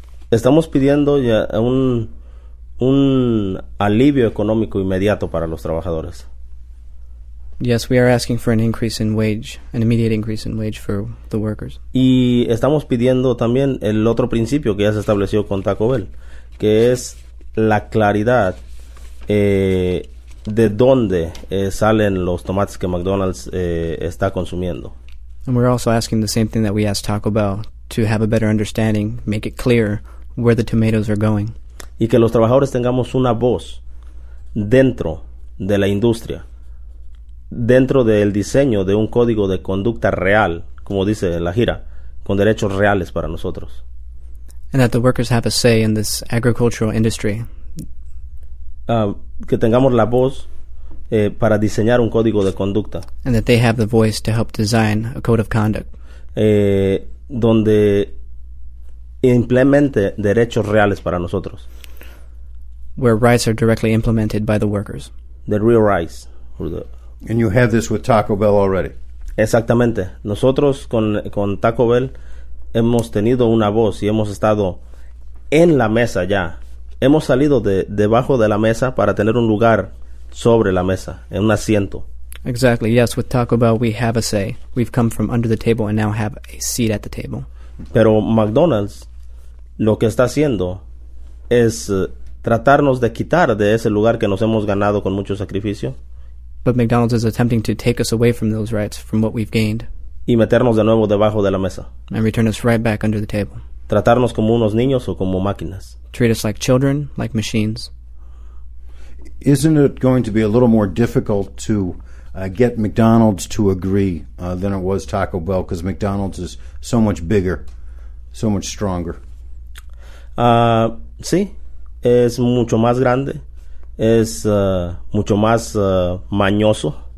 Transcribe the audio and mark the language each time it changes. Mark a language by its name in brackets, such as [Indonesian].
[Spanish] Estamos pidiendo ya un alivio económico inmediato para los trabajadores. [English] Yes, we are asking for an increase in wage, an immediate increase in wage for the workers. [Spanish] Y estamos pidiendo también el otro principio que ya se estableció con Taco Bell, que es la claridad de dónde salen los tomates que McDonald's está consumiendo. [English] And we're also asking the same thing that we asked Taco Bell, to have a better understanding, make it clear where the tomatoes are going. [Spanish] Y que los trabajadores tengamos una voz dentro de la industria, dentro del diseño de un código de conducta real, como dice la gira, con derechos reales para nosotros. [English] And that the workers have a say in this agricultural industry. [Spanish] Que tengamos la voz para diseñar un código de conducta. [English] And that they have the voice to help design a code of conduct. [Spanish] Donde implemente derechos reales para nosotros. [English] Where rights are directly implemented by the workers. The real rights. And you have this with Taco Bell already. [Spanish] Exactamente. Nosotros con Taco Bell hemos tenido una voz y hemos estado en la mesa ya. Hemos salido de debajo de la mesa para tener un lugar sobre la mesa, en un asiento. [English] Exactly. Yes, with Taco Bell we have a say. We've come from under the table and now have a seat at the table. [Spanish] Pero McDonald's lo que está haciendo es tratarnos de quitar de ese lugar que nos hemos ganado con mucho sacrificio. [English] But McDonald's is attempting to take us away from those rights, from what we've gained. [Spanish] Y meternos de nuevo debajo de la mesa. [English] And return us right back under the table. [Spanish] Tratarnos como unos niños o como máquinas. [English] Treat us like children, like machines. Isn't it going to be a little more difficult to get McDonald's to agree than it was Taco Bell? Because McDonald's is so much bigger, so much stronger. [Spanish] Sí, es mucho más grande. Es mucho más mañoso.